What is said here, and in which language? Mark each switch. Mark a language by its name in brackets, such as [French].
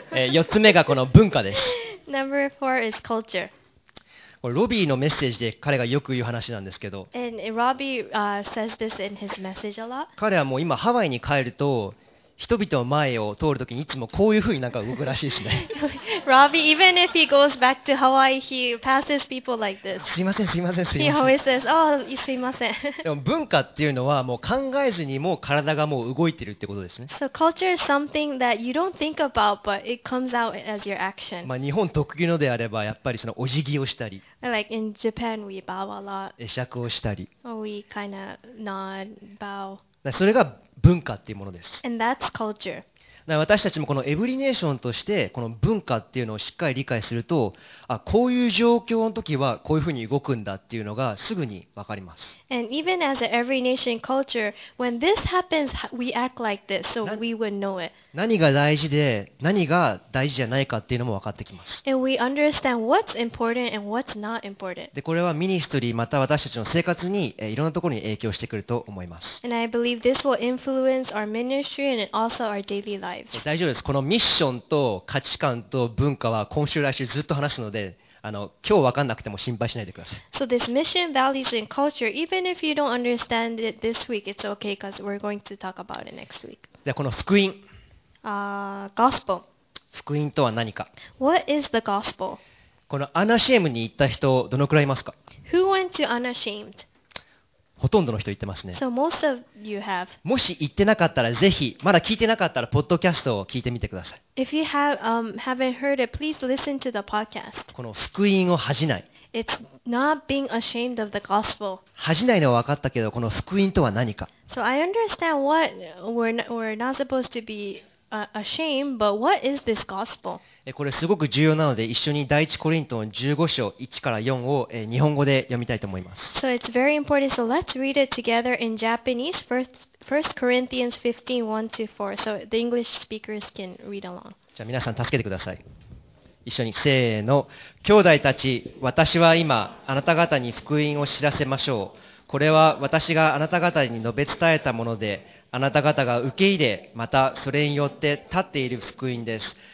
[Japanese] 四つ目がこの文化です。 [English] Number four is culture. [Japanese] これロビーのメッセージで彼がよく言う話なんですけど。 [English] And Robbie says this in his message a lot. [Japanese] 彼はもう今ハワイに帰ると。人々の前を通るときにいつもこういうふうになんか動くらしいですね。 [English] Robbie, even if he goes back to Hawaii, he passes people like this. [Japanese] すいません、すいません、すいません。 [English] He always says, oh, [Japanese] すいません。でも文化っていうのはもう考えずにもう体がもう動いてるってことですね。 [English] So culture is something that you don't think about, but it comes out as your action. [Japanese] まあ日本特有のであればやっぱりそのお辞儀をしたり。 [English] Like in Japan, we bow a lot. [Japanese] 会釈をしたり。 [English] Or we kind of nod, bow. [Japanese] それが文化っていうものです。 [English] And that's culture. [Japanese] 私たちもこのエブリネーションとしてこの文化っていうのをしっかり理解すると、あ、こういう状況の時はこういうふうに動くんだっていうのがすぐにわかります。 [English] And even as an every nation culture, when this happens, we act like this, so we would know it. [Japanese] 何が大事で何が大事じゃないかっていうのも分かってきます。 [English] And we understand what's important and what's not important. [Japanese] で、これはミニストリーまた私たちの生活にいろんなところに影響してくると思います。 [English] And I believe this will influence our ministry and also our daily lives. [Japanese] 大丈夫です。このミッションと価値観と文化は今週来週ずっと話すので、今日分かんなくても心配しないでください。 [English] So this mission, values, and culture, even if you don't understand it this week, it's okay because we're going to talk about it next week. [Japanese] で、この福音。 [English] Gospel. [Japanese] 福音とは何か。 [English] What is the gospel? [Japanese] このアナシエムに行った人、どのくらいいますか。 [English] Who went to unashamed? [Japanese] ほとんどの人行ってますね。 [English] So most of you have. [Japanese] もし行ってなかったら、ぜひ、まだ聞いてなかったら、ポッドキャストを聞いてみてください。 [English] If you haven't heard it, please listen to the podcast. [Japanese] この福音を恥じない。 [English] It's not being ashamed of the gospel. [Japanese] 恥じないのは分かったけど、この福音とは何か。 [English] So I understand what we're not supposed to be. Ashamed, but what is this gospel? [Japanese] これすごく重要なので一緒に第一コリントの15章1から4を日本語で読みたいと思います。 [English] So it's very important, so let's read it together in Japanese. First Corinthians 15:1 to 4, so the English speakers can read along. [Japanese] じゃあ皆さん助けてください。一緒にせーの。兄弟たち、私は今あなた方に福音を知らせましょう。これは私があなた方に述べ伝えたもので、あなた方が受け入れ、またそれによって立っている福音です。